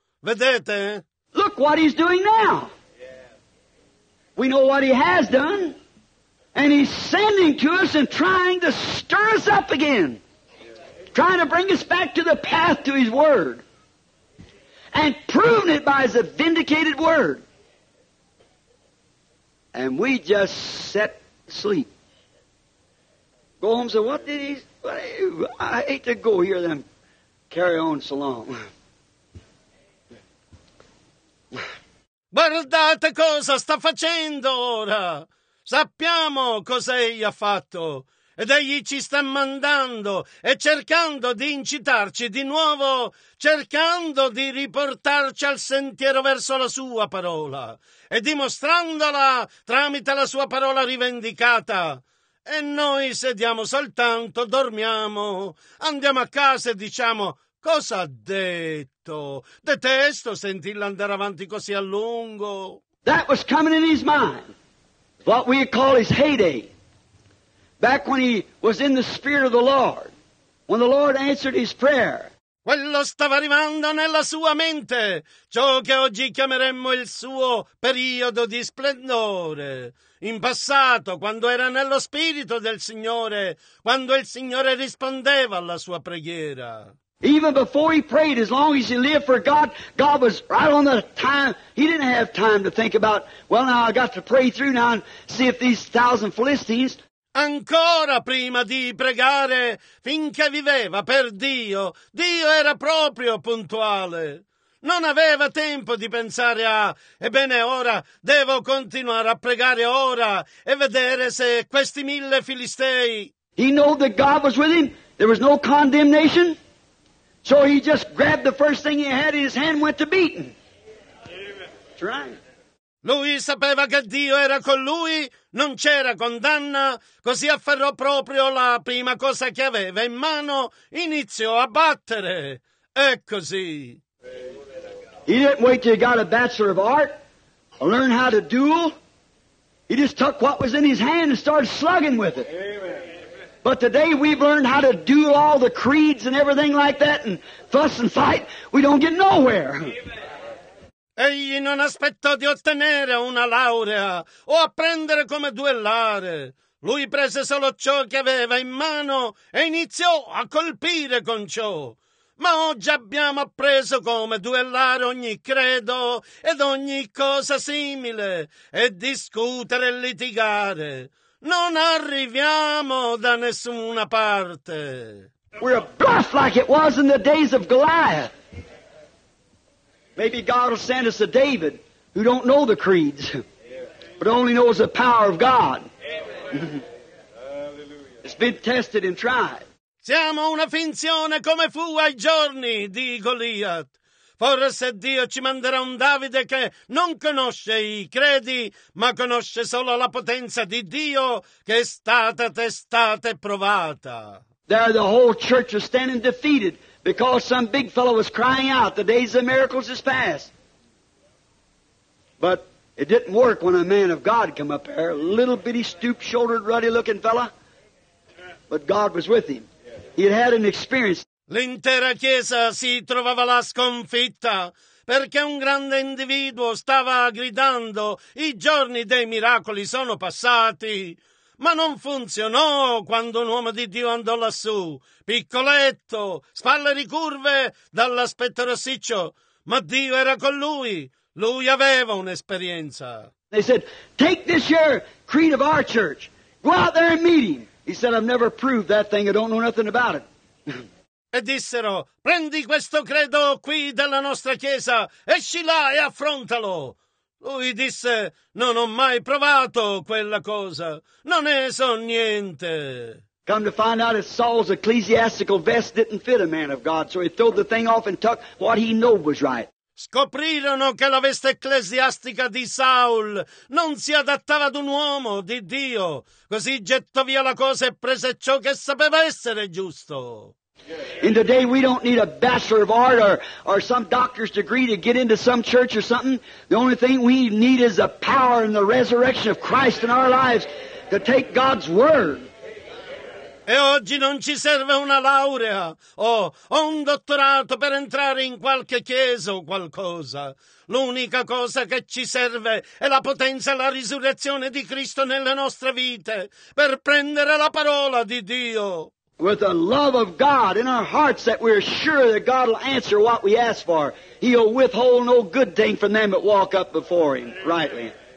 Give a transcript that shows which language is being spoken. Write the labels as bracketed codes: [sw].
[it] Vedete? [en] Look what he's doing now. We know what he has done, and he's sending to us and trying to stir us up again, trying to bring us back to the path to his word, and proving it by his vindicated word. And we just set asleep. Go home and say, what did he say? I hate to go hear them carry on so long. [it] Guardate cosa sta facendo ora. Sappiamo cosa egli ha fatto. Ed egli ci sta mandando e cercando di incitarci di nuovo, cercando di riportarci al sentiero verso la sua parola e dimostrandola tramite la sua parola rivendicata. E noi sediamo soltanto, dormiamo, andiamo a casa e diciamo: cosa ha detto? Detesto sentirla andare avanti così a lungo. [en] That was coming in his mind, what we call his heyday. Back when he was in the Spirit of the Lord, when the Lord answered his prayer. [it] Quello stava arrivando nella sua mente, ciò che oggi chiameremmo il suo periodo di splendore. In passato, quando era nello Spirito del Signore, quando il Signore rispondeva alla sua preghiera. [en] Even before he prayed, as long as he lived for God, God was right on the time. He didn't have time to think about, well, now I got to pray through now and see if these 1,000 Philistines. [it] Ancora prima di pregare, finché viveva per Dio, Dio era proprio puntuale. Non aveva tempo di pensare a, ebbene ora, devo continuare a pregare ora e vedere se questi 1,000 Filistei. [en] He knew that God was with him. There was no condemnation. So he just grabbed the first thing he had in his hand and went to beating. That's right. [it] Lui sapeva che Dio era con lui, non c'era condanna, così afferrò proprio la prima cosa che aveva in mano, iniziò a battere. E così. [en] He didn't wait till he got a bachelor of art, or learn how to duel. He just took what was in his hand and started slugging with it. But today we've learned how to duel all the creeds and everything like that and fuss and fight. We don't get nowhere. [it] Egli non aspettò di ottenere una laurea o apprendere come duellare. Lui prese solo ciò che aveva in mano e iniziò a colpire con ciò. Ma oggi abbiamo appreso come duellare ogni credo ed ogni cosa simile e discutere e litigare. Non arriviamo da nessuna parte. [en] We're bluff like it was in the days of Goliath. Maybe God will send us a David who don't know the creeds, but only knows the power of God. It's been tested and tried. [it] Siamo una finzione come fu ai giorni di Goliath. Forse Dio ci manderà un Davide che non conosce i credi, ma conosce solo la potenza di Dio che è stata testata e provata. [en] There the whole church was standing defeated. Because some big fellow was crying out, the days of miracles is past. But it didn't work when a man of God came up there, a little bitty, stoop-shouldered, ruddy-looking fella. But God was with him. He had had an experience. [it] L'intera chiesa si trovava là sconfitta, perché un grande individuo stava gridando, i giorni dei miracoli sono passati. Ma non funzionò quando un uomo di Dio andò lassù, piccoletto, spalle ricurve dall'aspetto rossiccio. Ma Dio era con lui. Lui aveva un'esperienza. [en] They said, take this your creed of our church. Go out there and meet him. He said, I've never proved that thing. I don't know nothing about it. [it] e dissero: prendi questo credo qui dalla nostra chiesa, esci là e affrontalo. Lui disse: non ho mai provato quella cosa, non ne so niente. [en] Come to find out that Saul's ecclesiastical vest didn't fit a man of God, so he threw the thing off and took what he knew was right. [it] Scoprirono che la veste ecclesiastica di Saul non si adattava ad un uomo di Dio, così gettò via la cosa e prese ciò che sapeva essere giusto. [en] In today we don't need a bachelor of art or some doctor's degree to get into some church or something. The only thing we need is the power and the resurrection of Christ in our lives to take God's word. [it] E oggi non ci serve una laurea o un dottorato per entrare in qualche chiesa o qualcosa. L'unica cosa che ci serve è la potenza e la risurrezione di Cristo nelle nostre vite per prendere la parola di Dio. [en] With the love of God in our hearts that we're sure that God will answer what we ask for. He'll withhold no good thing from them that walk up before Him rightly.